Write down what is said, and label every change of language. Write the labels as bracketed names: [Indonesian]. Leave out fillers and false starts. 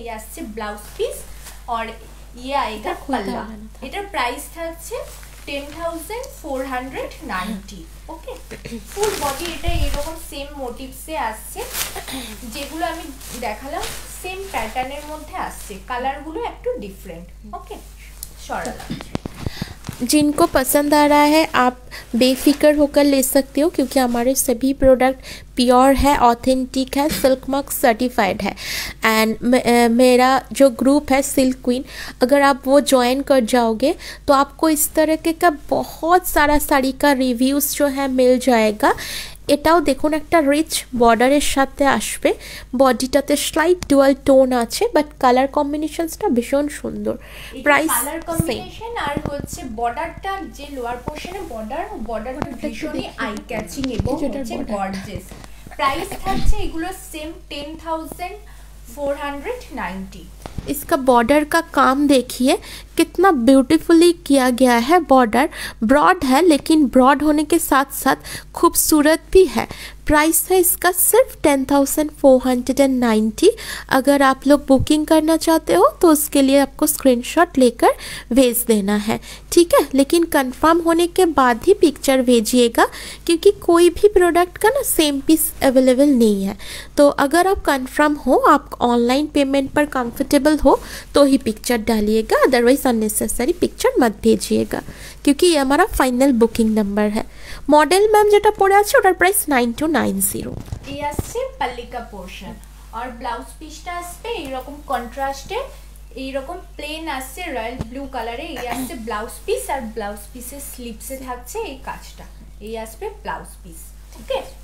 [Bangla] এই আসছে blouse piece, আর [Hindi] ইয়ে আয়েগা [Bangla] পাল্লা, এটার প্রাইস থাকছে 10,490। ওকে, ফুল বডি এটা এরকম সেম মোটিভসে আসছে, যেগুলো আমি দেখালাম সেম প্যাটার্নের মধ্যে আসছে, কালারগুলো একটু ডিফারেন্ট। ওকে, সরলা [Hindi] जिनको पसंद आ रहा है आप बेफिक्र होकर ले सकते हो, क्योंकि हमारे सभी प्रोडक्ट प्योर है, ऑथेंटिक है, सिल्क मक सर्टिफाइड है। एंड मेरा जो ग्रुप है सिल्क क्वीन, अगर आप वो ज्वाइन कर जाओगे तो आपको इस तरह के का बहुत सारा साड़ी का रिव्यूज़ जो है मिल जाएगा। [Bangla] এটাও দেখুন একটা রিচ বর্ডারের সাথে আসবে, বডিটাতে স্লাইট ডুয়াল টোন আছে, বাট কালার কম্বিনেশনসটা ভীষণ সুন্দর। প্রাইস কালার কম্বিনেশন আর হচ্ছে বর্ডারটা, যে লোয়ার পোর্শনে বর্ডার, বর্ডারটা ভীষণই আই ক্যাচিং এবং হচ্ছে গর্জিয়াস। প্রাইস থাকছে এগুলো সেম 10,490। [Hindi] इसका बॉर्डर का काम देखिए कितना ब्यूटीफुली किया गया है, बॉर्डर ब्रॉड है लेकिन ब्रॉड होने के साथ साथ खूबसूरत भी है। प्राइस है इसका सिर्फ 10,490। अगर आप लोग बुकिंग करना चाहते हो तो उसके लिए आपको स्क्रीनशॉट लेकर भेज देना है, ठीक है, लेकिन कंफर्म होने के बाद ही पिक्चर भेजिएगा, क्योंकि कोई भी प्रोडक्ट का ना सेम पीस अवेलेबल नहीं है। तो अगर आप कंफर्म हो, आप ऑनलाइन पेमेंट पर कंफर्टेबल हो तो ही पिक्चर डालिएगा, अदरवाइज अननेसेसरी पिक्चर मत भेजिएगा, क्योंकि ये हमारा फाइनल बुकिंग नंबर है। [Bangla] মডেল ম্যাম যেটা পরে আছে ওটার প্রাইস 9,290। এই আসছে পাল্লিকা পোর্শন, আর ব্লাউজ পিসটা আসবে এইরকম কন্ট্রাস্টে, এইরকম প্লেন আসছে রয়্যাল ব্লু কালারে, এই আসছে ব্লাউজ পিস, আর ব্লাউজ পিসে স্লিপসে থাকছে এই কাজটা, এই আসবে ব্লাউজ পিস। ওকে,